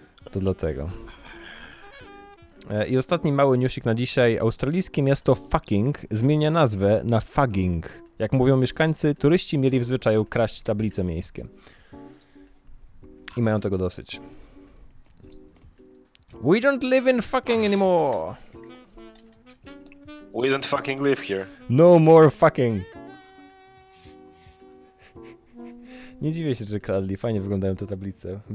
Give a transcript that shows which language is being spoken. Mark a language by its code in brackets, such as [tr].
[pl] To dlatego. I ostatni mały newsik na dzisiaj. Australijskie miasto Fucking zmienia nazwę na Fugging. Jak mówią mieszkańcy, turyści mieli w zwyczaju kraść tablice miejskie. I mają tego dosyć. [en] We don't live in fucking anymore. We don't fucking live here. No more fucking. [pl] Nie dziwię się, że kradli. Fajnie wyglądają te tablice.